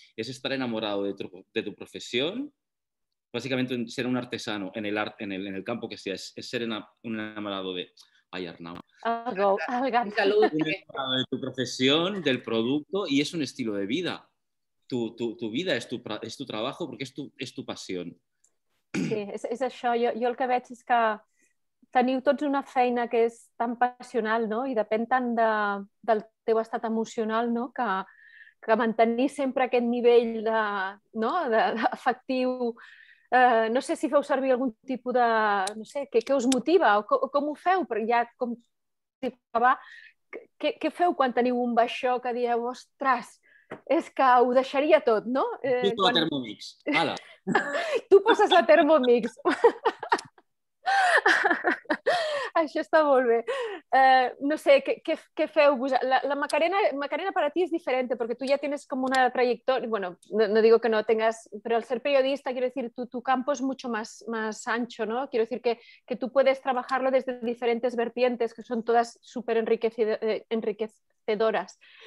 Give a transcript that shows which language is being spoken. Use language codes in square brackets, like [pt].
[es] Es estar enamorado de tu profesión, básicamente ser un artesano en el campo que sea, es ser un enamorado de... Ay, Arnau. Salud. De tu profesión, del producto, y es un estilo de vida. Tu vida es tu trabajo porque es tu pasión. [ca] Sí, és això. Jo el que veig és que teniu tots una feina que és tan passional, no? I depèn tant del teu estat emocional, no? Que mantenir sempre aquest nivell de, no? d'efectiu. No sé si feu servir algun tipus de... No sé, què us motiva o com ho feu? Però ja, com acabar... Què feu quan teniu un baixó que dieu, ostres, és que ho deixaria tot, no? Tu la Thermomix, ala! Tu poses la Thermomix. Això està molt bé. No sé, què feu? La Macarena per a ti és diferent, perquè tu ja tens com una trajectòria, [es] bueno, no digo que no tengas, però el ser periodista, quiero decir, tu campo es mucho más ancho, ¿no? Quiero decir que tú puedes trabajarlo desde diferentes vertientes, que son todas súper enriquecedoras.